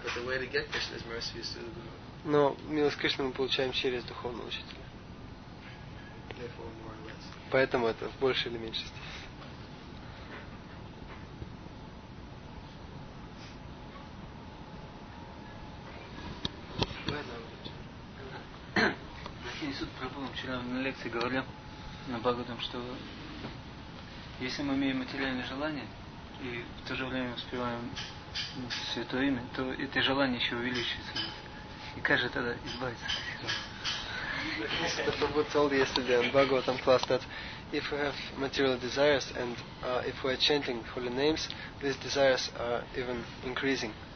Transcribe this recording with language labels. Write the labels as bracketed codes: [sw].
[en] But the way to get Krishna's mercy is through the Guru. [ru] Но милость Кришны мы получаем через духовного учителя. [en] Therefore, more or less. [ru] Поэтому это в большей или меньшей степени. Махини Суд Прабху вчера на лекции говорил на Бхагаватам, что если мы имеем материальное желание и в то же время успеваем Святое Имя, то это желание еще увеличивается. И как же тогда избавиться от этого? Это будет [en] told yesterday in Bhagavatam class, that if we have material desires and if we are chanting holy names, these desires are even increasing.